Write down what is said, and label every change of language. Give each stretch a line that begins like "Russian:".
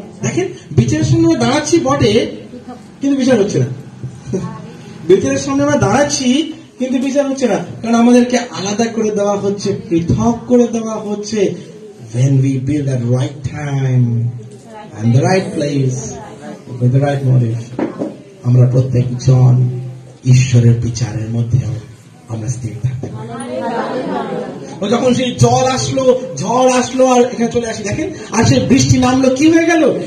Bangla: দেখেন বিচারের সামনে আমরা দাঁড়াচ্ছি বটে কিন্তু বিচার হচ্ছে না, বিচারের সামনে আমরা দাঁড়াচ্ছি কিন্তু বিচার হচ্ছে না, কারণ আমাদেরকে আলাদা করে দেওয়া হচ্ছে, পৃথক করে দেওয়া হচ্ছে।
English: When we be at the right time and the right place with the right motive,
Bangla: আমরা প্রত্যেক জন ঈশ্বরের বিচারের মধ্যেও আমরা স্থির থাকতে পারি। যখন সেই জল আসলো, ঝড় আসলো, আর এখানে চলে আসি দেখেন, আর সেই বৃষ্টি নামলো, কি হয়ে গেল?